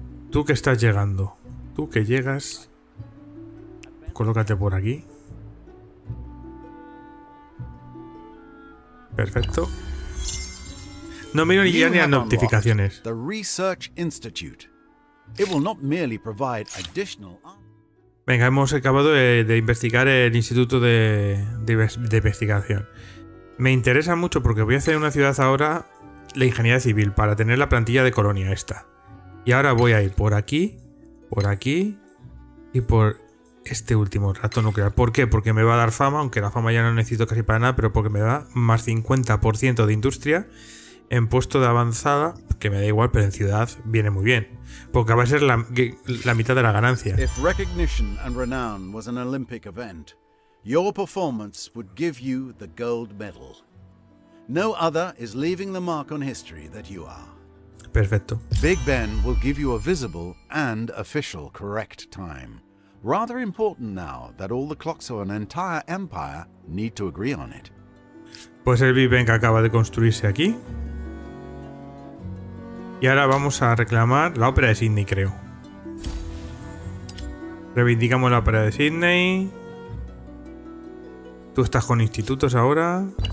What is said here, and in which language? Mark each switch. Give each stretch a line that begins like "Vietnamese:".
Spanish: Tú que estás llegando. Tú que llegas. Colócate por aquí. Perfecto. No miro ni ya ni a notificaciones.
English: The Research Institute. It will not merely provide additional.
Spanish: Venga, hemos acabado de investigar el Instituto de Investigación. Me interesa mucho porque voy a hacer una ciudad ahora, la ingeniería civil, para tener la plantilla de colonia esta. Y ahora voy a ir por aquí y por este último reactor nuclear. ¿Por qué? Porque me va a dar fama, aunque la fama ya no necesito casi para nada, pero porque me da más 50% de industria. En puesto de avanzada, que me da igual, pero en ciudad viene muy bien. Porque va a ser la mitad de la ganancia.
English: If recognition and renown was an Olympic event, your performance would give you the gold medal. No other is leaving the mark on history that you are. Perfecto. Big Ben will give you a visible and official correct time. Rather important now that all the clocks of an entire empire need to agree on it.
Spanish: Pues el Big Ben que acaba de construirse aquí. Y ahora vamos a reclamar la ópera de Sydney, creo. Reivindicamos la ópera de Sydney. Tú estás con institutos ahora.